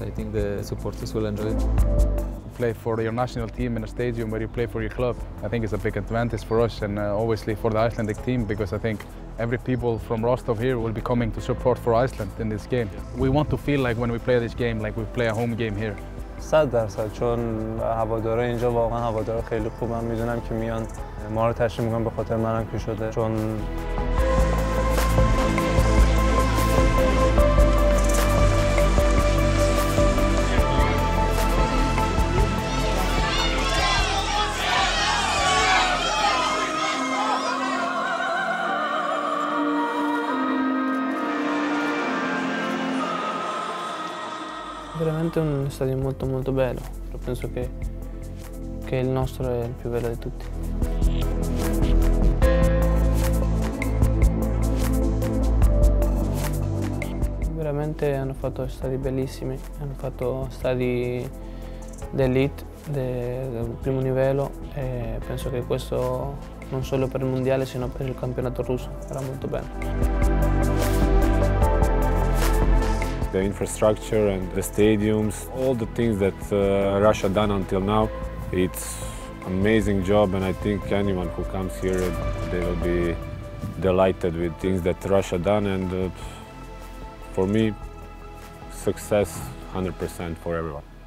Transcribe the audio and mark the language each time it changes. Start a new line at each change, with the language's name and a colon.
English: I think the supporters will enjoy it. You play for your national team in a stadium where you play for your club. I think it's a big advantage for us and obviously for the Icelandic team, because I think every people from Rostov here will be coming to support for Iceland in this game. We want to feel like when we play this game, like we play a home game here.
Persian: 100% چون هواداره اینجا واقعا هواداره خیلی خوب هم میدونم که میان ما رو تشریف میکنم به خاطر منم که شده چون
Italian: è un stadio molto molto bello, io penso che il nostro è il più bello di tutti. Veramente hanno fatto stadi bellissimi, hanno fatto stadi d'elite, del primo livello, e penso che questo non solo per il mondiale sino per il campionato russo era molto bello.
English: The infrastructure and the stadiums, all the things that Russia done until now, it's amazing job, and I think anyone who comes here, they will be delighted with things that Russia done, and for me, success 100% for everyone.